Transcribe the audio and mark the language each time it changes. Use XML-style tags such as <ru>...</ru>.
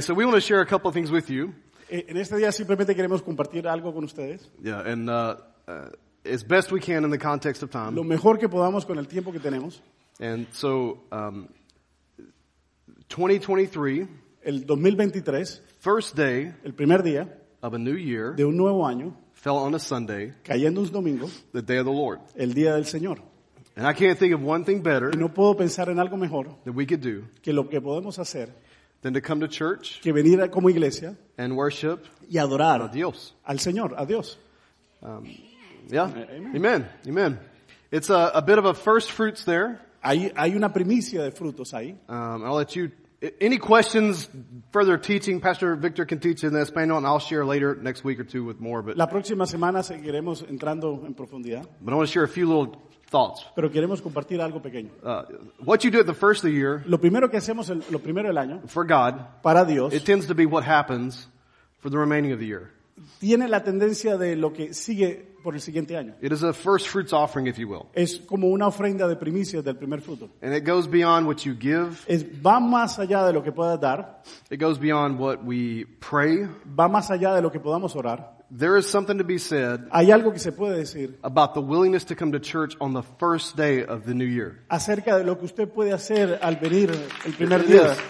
<en>So we want to share a couple of things with you.</en> <es>En este día simplemente queremos compartir algo con ustedes.</es> <en>Yeah, and as best we can in the context of time.</en> <es>Lo mejor que podamos con el tiempo que tenemos.</es> <en>And so 2023,</en> <es>el 2023,</es> <en>first day,</en> <es>el primer día</es> <en>of a new year,</en> <es>de un nuevo año,</es> <en>fell on a Sunday,</en> <es>cayendo un domingo,</es> <en>the day of the Lord.</en> <es>El día del Señor.</es> <en>And I can't think of one thing better</en> <es>no puedo pensar en algo mejor</es> <en>than we could do</en> <es>que lo que podemos hacer</es> <en>than to come to church</en> <es>que venir como iglesia</es> <en>and worship</en> <es>y adorar a Dios. Al Señor, a Dios.</es> <en>Amen. It's a bit of a first fruits there.</en> <es>Hay una primicia de frutos ahí.</es> <en>I'll let you, any questions, further teaching, Pastor Victor can teach in Espanol, and I'll share later next week or two with more. But</en> <es>la próxima semana seguiremos entrando en profundidad.</es> <en>But I want to share a few little thoughts.</en> <es>Pero queremos compartir algo pequeño.</es> <en>What you do at the first of the year,</en> <es>lo primero que hacemos lo primero del año,</es> <en>for God,</en> <es>para Dios,</es> <en>it tends to be what happens for the remaining of the year.</en> <es>Tiene la tendencia de lo que sigue por el siguiente año.</es> <en>It is a first fruits offering, if you will.</en> <es>Es como una ofrenda de primicias del primer fruto.</es> <en>And it goes beyond what you give.</en> <es>Es, va más allá de lo que puedas dar.</es> <en>It goes beyond what we pray.</en> <es>Va más allá de lo que podamos orar.</es> <en>There is something to be said.</en> <es>Hay algo que se puede decir</es> <en>about the willingness to come to church on the first day of the new year.</en> <es>Acerca de lo que usted puede hacer al venir el primer día.</es>